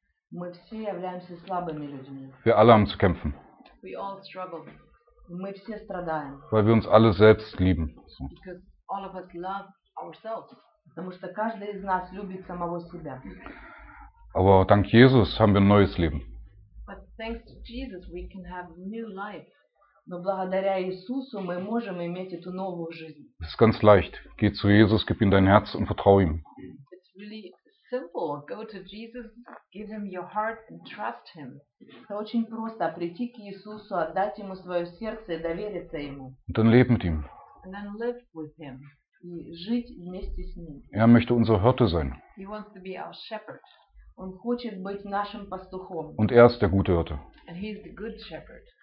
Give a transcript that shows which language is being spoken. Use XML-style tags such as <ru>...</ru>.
<ru>Мы все являемся слабыми людьми.</ru> <de>Wir alle haben zu kämpfen.</de> <en>We all struggle.</en> <ru>Мы все страдаем.</ru> <de>Weil wir uns alle selbst lieben.</de> <en>Because all of us love ourselves.</en> <ru>Потому что каждый из нас любит самого себя.</ru> <de>Aber dank Jesus haben wir ein neues Leben.</de> <en>But thanks to Jesus we can have new life.</en> <ru>Но благодаря Иисусу мы можем иметь эту новую жизнь.</ru> <de>Es ist ganz leicht. Geh zu Jesus, gib ihm dein Herz und vertraue ihm.</de> <en>It's really simple. Go to Jesus, give him your heart and trust him.</en> <ru>Это очень просто. Прийти к Иисусу, отдать ему свое сердце и довериться ему.</ru> <de>Und dann leben mit ihm.</de> <en>And then live with him.</en> <ru>И жить вместе с ним.</ru> <de>Er möchte unser Hirte sein.</de> <en>He wants to be our shepherd.</en> <ru>Он хочет быть нашим пастухом.</ru> <de>Und er ist der gute Hirte.</de> <en>And he is the good shepherd.</en>